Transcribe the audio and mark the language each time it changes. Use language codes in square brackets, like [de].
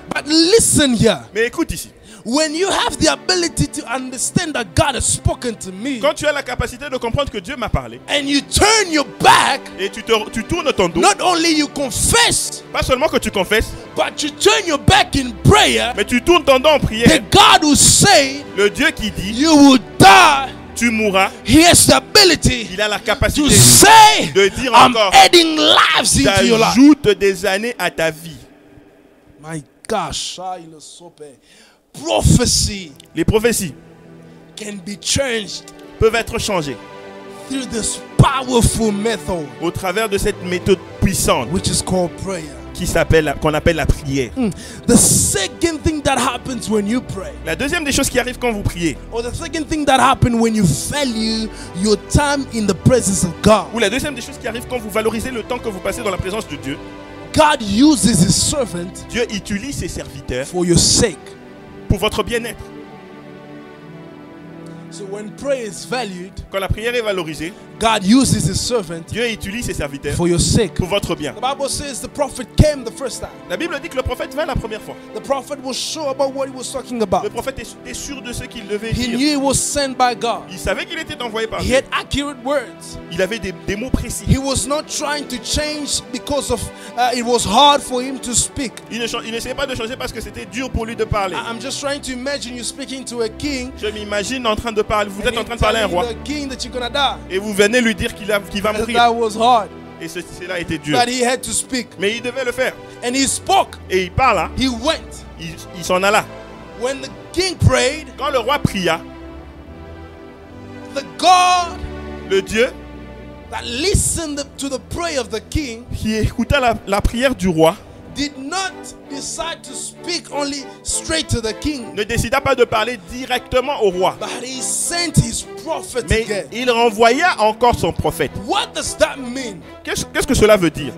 [en] But listen here. [fr] Mais écoute ici. [en] When you have the ability to understand that God has spoken to me, [fr] quand tu as la capacité de comprendre que Dieu m'a parlé, [en] and you turn your back, [fr] et tu tournes ton dos, [en] not only you confess, [fr] pas seulement que tu confesses, [en] but you turn your back in prayer, [fr] mais tu tournes ton dos en prière, [en] the God who say, [fr] le Dieu qui dit, [en] you will die. [fr] Tu mourras. [en] He has the ability, [fr] il a la capacité, [en] to say, [fr] de dire [en] I'm [fr] encore, [en] adding lives into your life. [fr] J'ajoute des années à ta vie. [en] My gosh, [fr] il est [en] so bad. Prophecy, [fr] les prophéties, [en] can be changed, [fr] peuvent être changées, [en] through this powerful method, [fr] au travers de cette méthode puissante, [en] which is called prayer, [fr] qu'on appelle la prière. [en] The second thing that happens when you pray, [fr] la deuxième des choses qui arrive quand vous priez, [en] or the second thing that happens when you value your time in the presence of God, [fr] ou la deuxième des choses qui arrive quand vous valorisez le temps que vous passez dans la présence de Dieu, [en] God uses His servant, [fr] Dieu utilise ses serviteurs, [en] for your sake. [fr] Pour votre bien-être. [en] So when prayer is valued, [fr] quand la prière est valorisée, [en] God uses His servant, [fr] Dieu utilise ses serviteurs, [en] for your sake, [fr] pour votre bien. [en] The Bible says the prophet came the first time. [fr] La Bible dit que le prophète vint la première fois. [en] The prophet was sure about what he was talking about. [fr] Le prophète était sûr de ce qu'il devait [en] he [fr] dire. [en] Knew he was sent by God. [fr] Il savait qu'il était envoyé par [en] he [fr] Dieu. [en] Had accurate words. [fr] Il avait des mots précis. [en] He was not trying to change because of it was hard for him to speak. [fr] Il n'essayait pas de changer parce que c'était dur pour lui de parler. [en] I'm just trying to imagine you speaking to a king. [fr] Je m'imagine en train de parler. Vous êtes en train de parler à un roi. [en] The king that you're gonna die. [fr] Et vous venez lui dire qu'il va mourir. [en] That was hard. [fr] Et cela était dur. [en] But he had to speak. [fr] Mais il devait le faire. [en] And he spoke. [fr] Et il parla. [en] He went. [fr] Il s'en alla. [en] When the king prayed, [fr] quand le roi pria, [en] the God, [fr] le Dieu, [en] that listened to the prayer of the king, [fr] qui écouta la prière du roi, [en] did not decide to speak only straight to the king, [fr] ne décida pas de parler directement au roi, [en] but he sent his prophet [fr] mais [en] again. [fr] Il renvoya encore son prophète. [en] What does that mean? [fr] Qu'est-ce que cela veut dire?